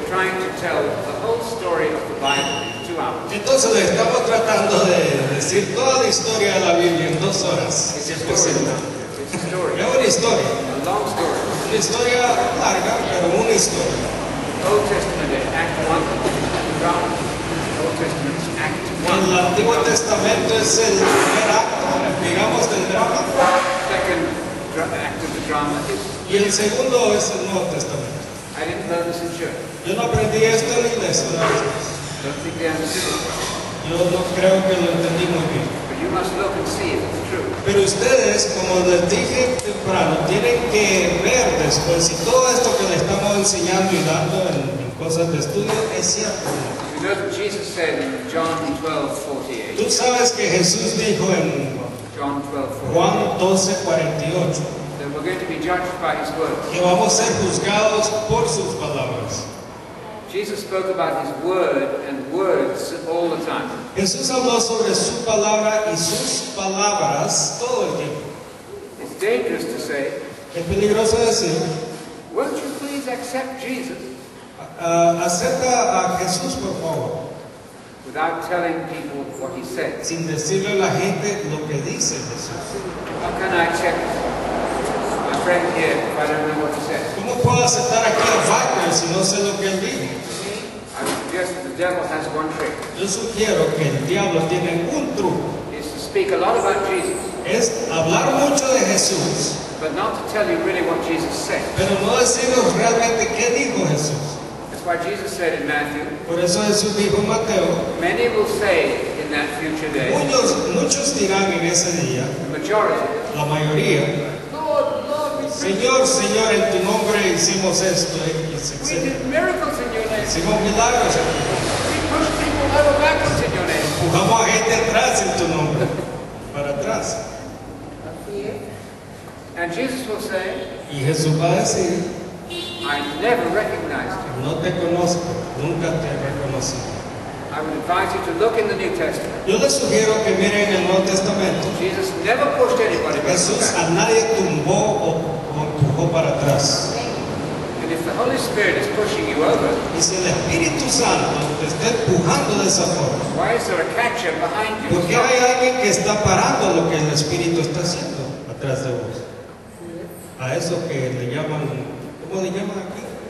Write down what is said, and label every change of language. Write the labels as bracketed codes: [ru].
[en] trying to tell the whole story of the Bible in 2 hours. [es] Entonces estamos tratando de decir toda la historia de la Biblia en 2 horas. [en] It's a story. A long story. [es] Una historia larga, pero una historia. [en] Old Testament, Act 1. Old Testament, Act 1. [es] El Antiguo Testamento es el primer acto, digamos, del drama. [en] Second act of the drama is. [es] Y el segundo es el Nuevo Testamento. [en] I didn't learn this in church. [es] Yo no aprendí esto en la iglesia. [en] I don't think they understood. [es] Yo no creo que lo entendí muy bien. [en] But you must look and see if it's true. [es] Pero ustedes, como les dije temprano, tienen que ver después si todo esto que le estamos enseñando y dando en cosas de estudio es cierto. [en] You know what Jesus said in John 12:48. [es] Tú sabes que Jesús dijo en Juan 12:48. [en] We're going to be judged by his words. [es] Que vamos a ser juzgados por sus palabras. [en] Jesus spoke about his word and words all the time. [es] Jesús habló sobre su palabra y sus palabras todo el tiempo. [en] It's dangerous to say. [es] Es peligroso decir. [en] Won't you please accept Jesus? [es] Acepta a Jesús, por favor. [en] Without telling people what he said. [es] Sin decirle a la gente lo que dice Jesús. [en] How can I check friend here, if I don't know what he said. [es] ¿Cómo puedo aceptar aquí a Wagner si no sé lo que él dijo? [en] I suggest that the devil has one trick. [es] Yo sugiero que el diablo tiene un truco. [en] Is to speak a lot about Jesus. [es] Es hablar mucho de Jesús. [en] But not to tell you really what Jesus said. [es] Pero no decirnos realmente qué dijo Jesús. [en] That's why Jesus said in Matthew. [es] Por eso Jesús dijo en Mateo. [en] Many will say in that future day. [es] Muchos dirán en ese día. [en] The majority. [es] La mayoría. Señor, Señor, en tu nombre hicimos esto. [en] We did miracles in your name. [es] Hicimos milagros. [en] We pushed people out of backwards in your name. [es] Empujamos a gente atrás en tu nombre. Para atrás. [en] And Jesus will say, [es] y Jesús va a decir, [en] I never recognized you. [es] No te conozco. Nunca te he reconocido. [en] I would advise you to look in the New Testament. [es] Yo les sugiero que miren el Nuevo Testamento. [en] Jesus never pushed anybody back. [es] Jesús a nadie tumbó o empujó para atrás. [en] And if the Holy Spirit is pushing you over, [es] y si el Espíritu Santo te está empujando de esa forma, [en] why is there a catcher behind you? [es] ¿Por qué hay alguien que está parando lo que el Espíritu está haciendo atrás de vos? A eso que le llaman, ¿cómo le llaman aquí?